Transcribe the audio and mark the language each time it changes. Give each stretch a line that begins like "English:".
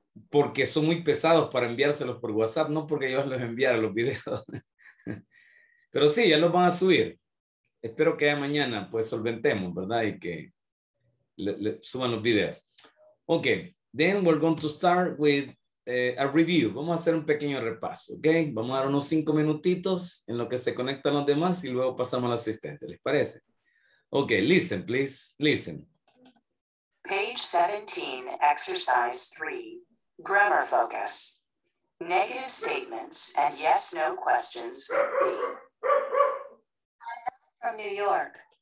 Spanish: Porque son muy pesados para enviárselos por WhatsApp, no porque yo los enviara los videos. Pero sí, ya los van a subir. Espero que ya mañana, pues, solventemos, ¿verdad? Y que le suban los videos.
English: Okay, then we're going to start with a review.
Spanish: Vamos a hacer un pequeño repaso, okay? Vamos a dar unos 5 minutitos en lo que se conectan los demás y luego pasamos a la asistencia, ¿les parece?
English: Okay, listen, please, listen. Page 17, exercise 3, grammar focus. Negative statements and yes, no questions. I'm not from New York.